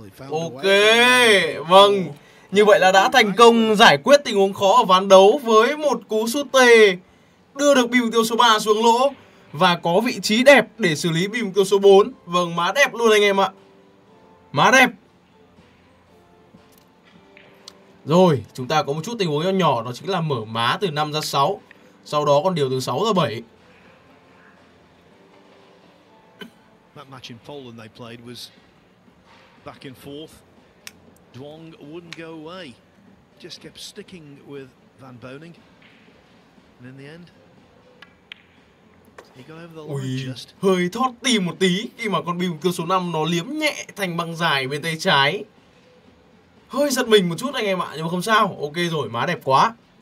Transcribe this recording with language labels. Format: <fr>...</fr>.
<vi>Ok, vâng. Như vậy là đã thành công giải quyết tình huống khó ở ván đấu với một cú sút tê, đưa được bim tiêu số 3 xuống lỗ và có vị trí đẹp để xử lý bim tiêu số 4. Vâng, má đẹp luôn anh em ạ. Má đẹp. Rồi, chúng ta có một chút tình huống nhỏ, đó chính là mở má từ 5 ra 6. Sau đó còn điều từ 6 ra 7.</vi> <en>That match in Poland they played was back and forth. Duong wouldn't go away. Just kept sticking with Van Boning. And in the end, he got over the line just.</en> <vi>Hơi thoát tim một tí khi mà con bim cơ số 5 nó liếm nhẹ thành băng dài bên tay trái. Hơi giật mình một chút anh em ạ, nhưng mà không sao. Ok rồi, má đẹp quá.</vi>